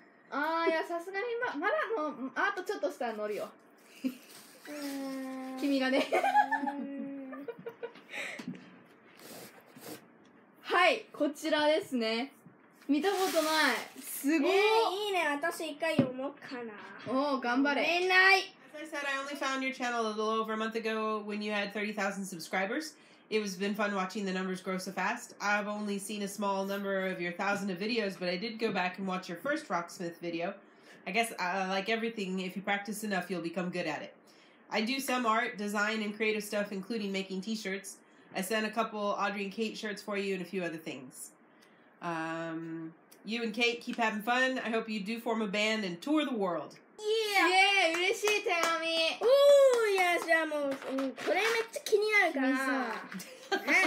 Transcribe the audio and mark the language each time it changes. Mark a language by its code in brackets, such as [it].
[ja] ああ、いや、さすがにまだもう、あとちょっとしたら載るよ。君がね。はい、こちらですね。見たことない、すごい、いいね、私一回読もうかな。おお、頑張れ。読めない。 [en] As I said, I only found your channel a little over a month ago when you had 30,000 subscribers. It has been fun watching the numbers grow so fast. I've only seen a small number of your thousand of videos, but I did go back and watch your first Rocksmith video. I guess, like everything, if you practice enough, you'll become good at it. I do some art, design, and creative stuff, including making t-shirts. I sent a couple Audrey and Kate shirts for you and a few other things. You and Kate, keep having fun. I hope you do form a band and tour the world. Yeah! Yeah! [ja] 嬉しい、手紙。おー、いや、じゃあもう、これめっちゃ気になるから。